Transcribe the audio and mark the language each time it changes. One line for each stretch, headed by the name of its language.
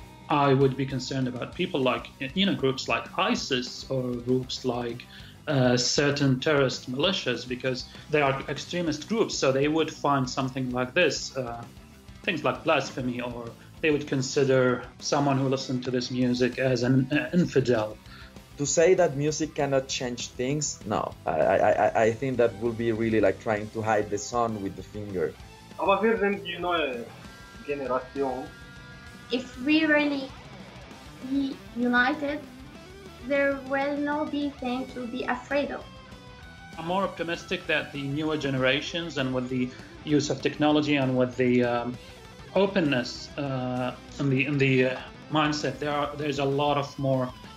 English: I would be concerned about people like, you know, groups like ISIS or groups like certain terrorist militias, because they are extremist groups, so they would find something like this, things like blasphemy, or they would consider someone who listened to this music as an infidel. To say that music cannot change things, no. I think that would be really like trying to hide the sun with the finger.
German: Aber wir sind die neue Generation.
English: If we really be united, there will not be things to be afraid of. I'm more optimistic that the newer generations, and with the use of technology and with the openness in the mindset, there's a lot of more